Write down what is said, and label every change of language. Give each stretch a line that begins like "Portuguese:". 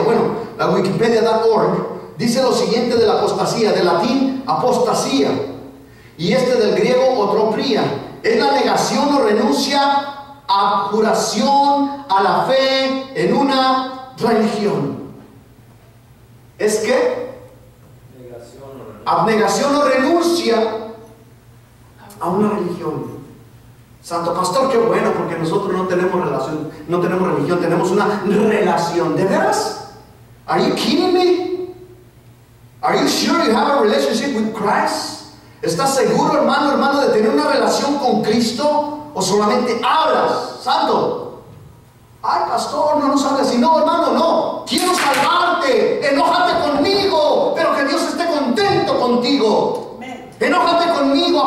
Spanish: Bueno, la Wikipedia.org dice lo siguiente de la apostasía, del latín apostasía, y este del griego otropría, es la negación o renuncia a juración a la fe en una religión. ¿Es qué? Abnegación o renuncia a una religión. Santo pastor, qué bueno, porque nosotros no tenemos relación, no tenemos religión, tenemos una relación. ¿De veras?
English: Are you kidding me? Are you sure you have a relationship with Christ?
Spanish: ¿Estás seguro, hermano, de tener una relación con Cristo? ¿O solamente hablas? ¡Santo! ¡Ay, pastor, no nos hables! Y no, hermano, no. ¡Quiero salvarte! ¡Enójate conmigo! ¡Pero que Dios esté contento contigo! ¡Enójate conmigo!